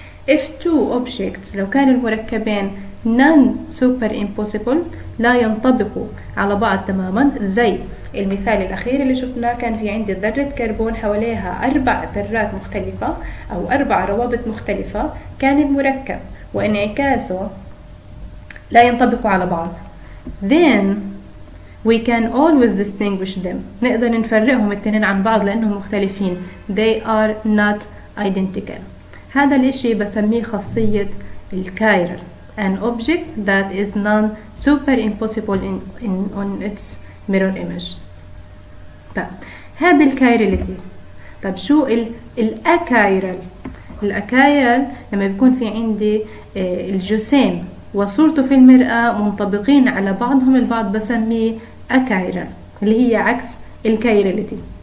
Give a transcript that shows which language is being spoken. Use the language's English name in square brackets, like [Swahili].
[English] if two objects [Arabic] لو كان المركبين [English] non super impossible [Arabic] لا ينطبقوا على بعض تماما، زي المثال الأخير اللي شفناه كان في عندي ذرة كربون حواليها 4 ذرات مختلفة أو 4 روابط مختلفة، كان المركب وانعكاسه لا ينطبقوا على بعض. [English] Then we can always distinguish them، [Arabic] نقدر نفرقهم التنين عن بعض لأنهم مختلفين. [English] They are not identical. [Arabic] هذا الاشي بسميه خاصية الكايرل، [English] an object that is non super impossible in on its mirror image. [Arabic] طيب هذا الكايرلتي. طيب شو الاكايرل؟ الاكايرل لما بيكون في عندي الجسيم وصورته في المرآة منطبقين على بعضهم البعض بسميه اكايرل، اللي هي عكس الكايرلتي.